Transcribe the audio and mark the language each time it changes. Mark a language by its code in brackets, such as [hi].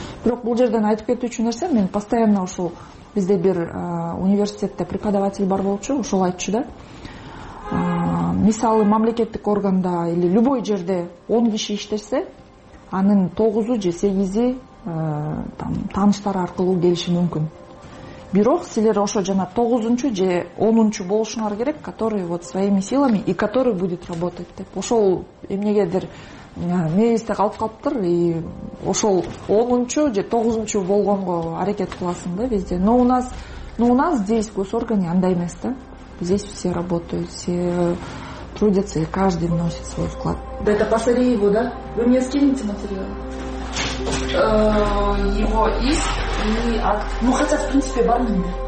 [ky] Бирок бул жерден айтып кетүүчү нерсе, мен постоянно ошол бизде бир университетте преподаватель бар болчу, ошол айтчу да. Мисалы мамлекеттик органда [ru] или любой [ky] жерде 10 киши иштесе, анын 9 же 8 там тааныштары аркылуу келиши мүмкүн. Бирок силер ошо жана 9-чу же 10-чу болушуңар керек, [ru] который вот своими силами и который будет работать [ky] деп. Ошол эмнегедир мээсте калып калыптыр и ошол 10-чу же 9-чу болгонго аракет кыласың да везде. [ru] Но у нас здесь в госоргане [ky] андай эмес да. [ru] Здесь все работают, все трудятся, и каждый вносит свой вклад. Да это по Сареву, да? Вы мне скинете материал? Его иск и акт. Ну, хотя, в принципе, барни.